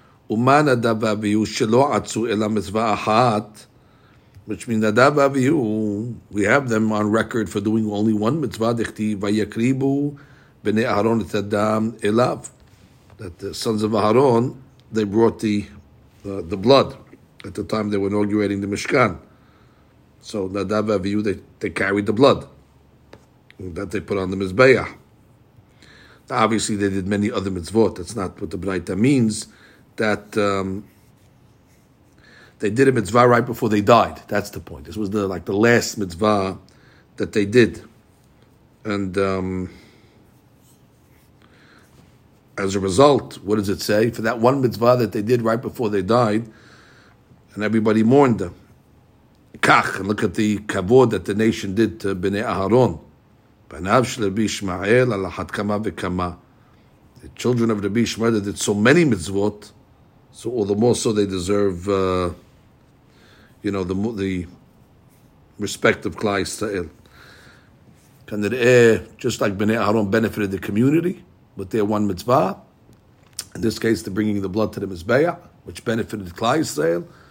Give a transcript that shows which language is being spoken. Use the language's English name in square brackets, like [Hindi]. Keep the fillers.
[Hebrew] ומה נדב ואביהו שלא עצו אלא מצווה אחת, [English] which means נדב ואביהו, we have them on record for doing only one מצווה, [Hebrew] דכתיב, ויקריבו בני אהרון את הדם אליו. [English] That the sons of Aharon, they brought the, uh, the blood at the time they were inaugurating the Mishkan. So Nadav Avihu, they, they carried the blood that they put on the Mizbeah. Obviously, they did many other mitzvot. That's not what the Braita means. That um, they did a mitzvah right before they died. That's the point. This was the like the last mitzvah that they did, and um, as a result, what does it say for that one mitzvah that they did right before they died, and everybody mourned them. Kach, and look at the kavod that the nation did to Bnei Aharon. [Hebrew] בניו של רבי ישמעאל על אחת כמה וכמה. [English] The children of Rabbi Ishmael that did so many mitzvot, so all the more so they deserve, uh, you know, the mo- the respect of Klai Yisrael. Kanir'eh, just like Bnei Aaron benefited the community with their one mitzvah, in this case, the bringing the blood to the Mizbeah, which benefited Klai Yisrael.